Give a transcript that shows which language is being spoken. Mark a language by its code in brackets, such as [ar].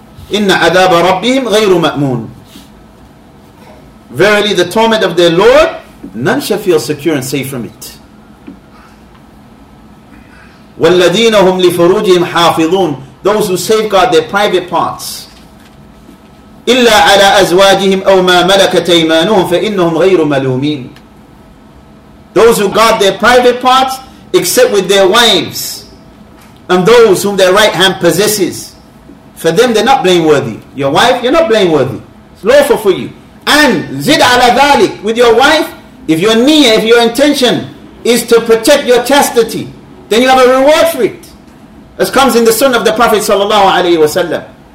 [ar] إِنَّ عَذَابَ رَبِّهِمْ غَيْرُ مَأْمُونَ. [en] Verily the torment of their Lord, none shall feel secure and safe from it. [ar] وَالَّذِينَ هُمْ لِفُرُوجِهِمْ حَافِظُونَ. [en] Those who safeguard their private parts. [ar] إلا على أزواجهم أو ما ملكت أيمانهم فإنهم غير ملومين. [en] Those who guard their private parts except with their wives and those whom their right hand possesses, for them they're not blameworthy. Your wife, you're not blameworthy. It's lawful for you. And [ar] زد على ذلك, [en] with your wife, if your niyyah, if your intention is to protect your chastity, then you have a reward for it, as comes in the sunnah of the Prophet sallallahu alaihi wasallam.